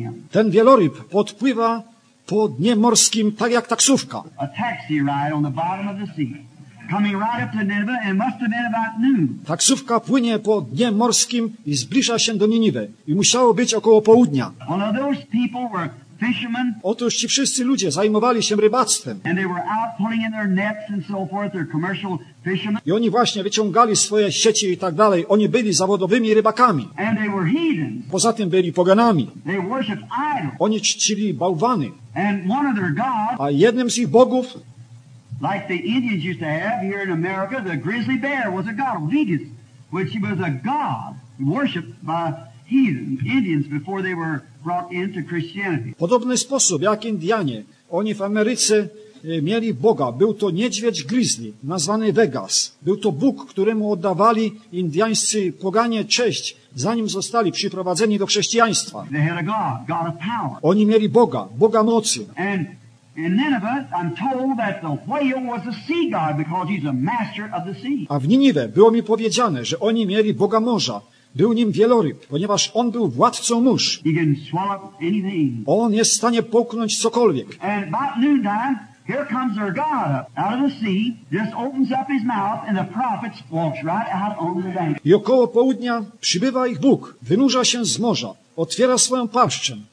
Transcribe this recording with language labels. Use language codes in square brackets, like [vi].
[pl] Ten wieloryb podpływa po dnie morskim tak jak taksówka. [en] A taxi ride on the bottom of the sea. Coming right up to Nineveh and must have been about noon. [pl] Taksówka płynie po dnie morskim i zbliża się do Niniwy i musiało być około południa. [en] Well, now those people were fishermen. [pl] Otóż ci wszyscy ludzie zajmowali się rybactwem. [en] And they were out pulling in their nets and so forth, their commercial fishermen. [pl] I oni właśnie wyciągali swoje sieci i tak dalej. Oni byli zawodowymi rybakami. [en] And they were heathens. [pl] Poza tym byli poganami. [en] They worshiped idols. [pl] Oni czcili bałwany. [en] And one of their gods, [pl] a jednym z ich bogów, [en] like the Indians used to have here in America, the grizzly bear was a god, Vegas, which was a god worshipped by heathen Indians before they were brought into Christianity. [pl] Podobny sposób, jak Indianie, oni w Ameryce mieli Boga. Był to niedźwiedź grizzly, nazwany Vegas. Był to Bóg, któremu oddawali indiańscy poganie cześć, zanim zostali przyprowadzeni do chrześcijaństwa. [en] They had a god, god of power. [pl] Oni mieli Boga, Boga mocy. [en] And in Nineveh, I'm told that the whale was a sea god because he's a master of the sea. [pl] A w Niniwie było mi powiedziane, że oni mieli Boga morza. Był nim wieloryb, ponieważ on był władcą mórz. [en] He can swallow anything. [pl] On jest w stanie połknąć cokolwiek. [en] And about noontime, here comes their god out of the sea, just opens up his mouth, and the prophet walks right out on the bank. [pl] I około południa przybywa ich Bóg, wynurza się z morza, otwiera swoją paszczę.